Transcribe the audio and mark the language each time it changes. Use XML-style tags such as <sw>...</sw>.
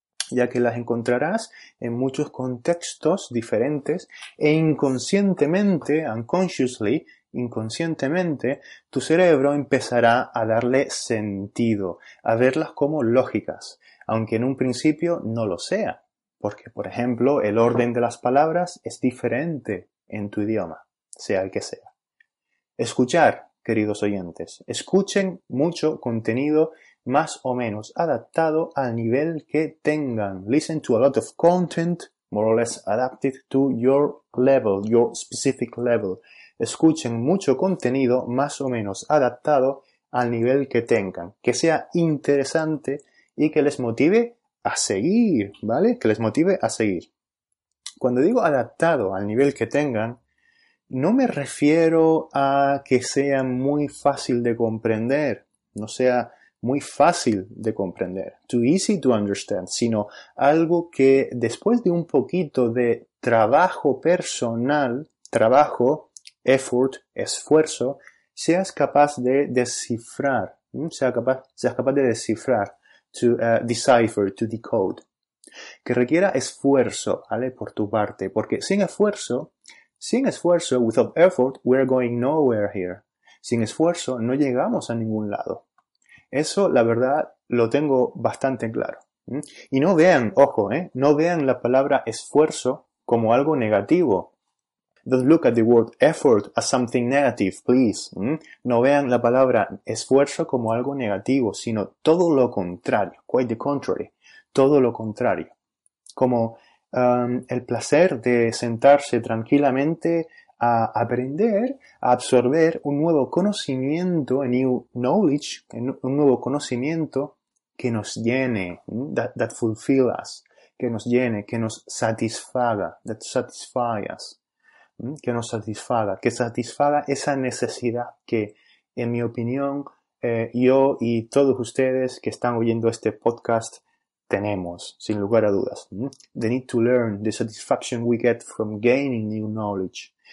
<es>ya que las encontrarás en muchos contextos diferentes e inconscientemente, unconsciously, inconscientemente, tu cerebro empezará a darle sentido, a verlas como lógicas, aunque en un principio no lo sea, porque, por ejemplo, el orden de las palabras es diferente en tu idioma, sea el que sea. Escuchar, queridos oyentes, escuchen mucho contenido más o menos adaptado al nivel que tengan.</es> <en>Listen to a lot of content, more or less adapted to your level, your specific level.</en> <es>Escuchen mucho contenido más o menos adaptado al nivel que tengan, que sea interesante y que les motive a seguir, ¿vale? Que les motive a seguir. Cuando digo adaptado al nivel que tengan, no me refiero a que sea muy fácil de comprender, no sea muy fácil de comprender,</es> <en>too easy to understand,</en> <es>sino algo que después de un poquito de trabajo personal, trabajo, effort, esfuerzo, seas capaz de descifrar, decipher, to decode, que requiera esfuerzo, ¿vale?, por tu parte, porque sin esfuerzo,</es> <en>without effort, we're going nowhere here,</en> <es>sin esfuerzo no llegamos a ningún lado, eso la verdad lo tengo bastante claro, y no vean, ojo, no vean la palabra esfuerzo como algo negativo.</es> <en>Don't look at the word effort as something negative, please.</en> <es>No vean la palabra esfuerzo como algo negativo, sino todo lo contrario,</es> <en>quite the contrary,</en> <es>todo lo contrario. Como el placer de sentarse tranquilamente a aprender, a absorber un nuevo conocimiento,</es> <en>a new knowledge,</en> <es>un nuevo conocimiento que nos llene,</es> <en>that fulfill us,</en> <es>que nos llene, que nos satisfaga,</es> <en>that satisfy us.</en> <es>Que nos satisfaga, que satisfaga esa necesidad que, en mi opinión, yo y todos ustedes que están oyendo este podcast tenemos, sin lugar a dudas.</es> <en>The need to learn, the satisfaction we get from gaining new knowledge.</en>